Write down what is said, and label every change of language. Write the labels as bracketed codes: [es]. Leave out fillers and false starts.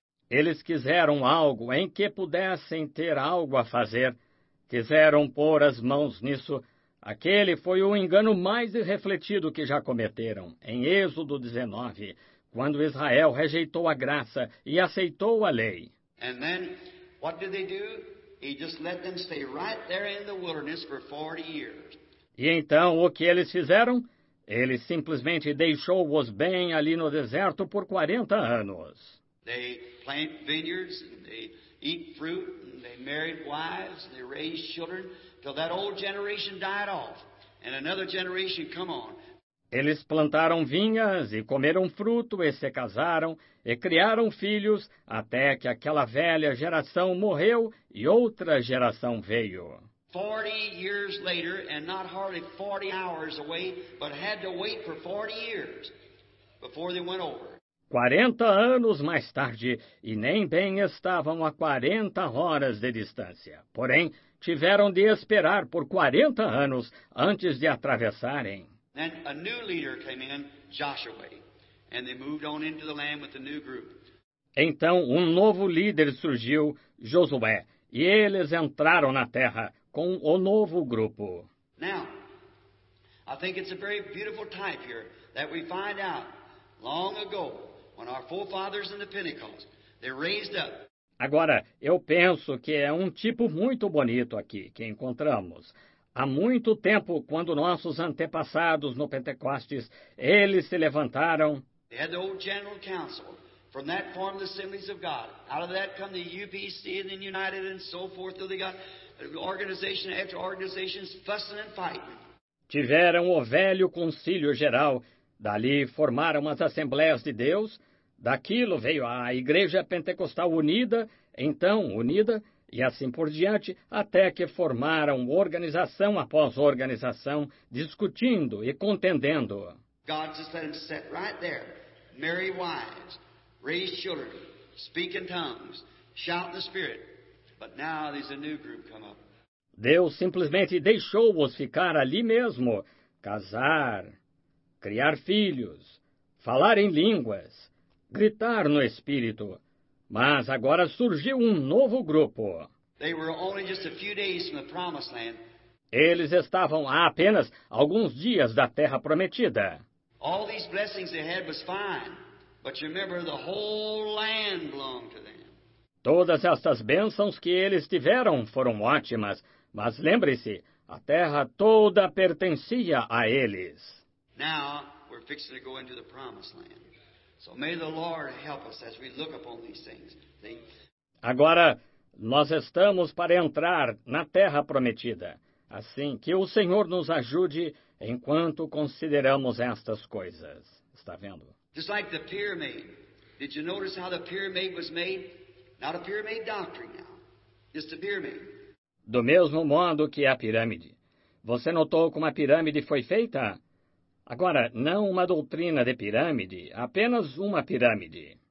[pt] Eles quiseram algo em que pudessem ter algo a fazer. Quiseram pôr as mãos nisso. Aquele foi o engano mais irrefletido que já cometeram. Em Êxodo 19, quando Israel rejeitou a graça e aceitou a lei. [en] And then, what did they do? He just let them stay right there in the wilderness for 40 years. [pt] E então, o que eles fizeram? Ele simplesmente deixou-os bem ali no deserto por 40 anos. [en] They plant vineyards, and they eat fruit, and they married wives, and they raised children, till that old generation died off, and another generation come on. [pt] Eles plantaram vinhas e comeram fruto e se casaram e criaram filhos até que aquela velha geração morreu e outra geração veio. [en] 40 years later and not hardly 40 hours away, but had to wait for 40 years before they went over. [pt] 40 anos mais tarde e nem bem estavam a 40 horas de distância. Porém, tiveram de esperar por 40 anos antes de atravessarem. [en] Then a new leader came in, Joshua, and they moved on into the land with the new group. [pt] Então novo líder surgiu, Josué, e eles entraram na terra com o novo grupo. [en] Now, I think it's a very beautiful type here that we find out long ago when our forefathers in the Pentecost, they raised up. [pt] Agora, eu penso que é tipo muito bonito aqui que encontramos. Há muito tempo, quando nossos antepassados no Pentecostes, eles se levantaram. [en] They had the old general council. From that formed the assemblies of God. Out of that come the UPC and the United and so forth. Till they got organization after organization fussing and fighting. [pt] Tiveram o velho concílio geral. Dali formaram as assembleias de Deus. Daquilo veio a Igreja Pentecostal unida, então unida. E assim por diante, até que formaram organização após organização, discutindo e contendendo. [en] God just let him sit right there, marry wives, raise children, speak in tongues, shout in the spirit. But now there's a new group come up. [pt] Deus simplesmente deixou-os ficar ali mesmo, casar, criar filhos, falar em línguas, gritar no espírito. Mas agora surgiu novo grupo. [en] They were only just a few days from the promised land. [pt] Eles estavam há apenas alguns dias da terra prometida. [en] All these blessings they had was fine, but you remember the whole land belonged to them. [pt] Todas estas bênçãos que eles tiveram foram ótimas, mas lembre-se, a terra toda pertencia a eles. [en] Now we're fixing to go into the promised land. So may the Lord help us as we look upon these things. [pt] Agora, nós estamos para entrar na terra prometida. Assim, que o Senhor nos ajude enquanto consideramos estas coisas. Está vendo? [en] Just like the pyramid. Did you notice how the pyramid was made? Not a pyramid doctrine now. Just a pyramid. [pt] Do mesmo modo que a pirâmide. Você notou como a pirâmide foi feita? Agora, não uma doutrina de pirâmide, apenas uma pirâmide.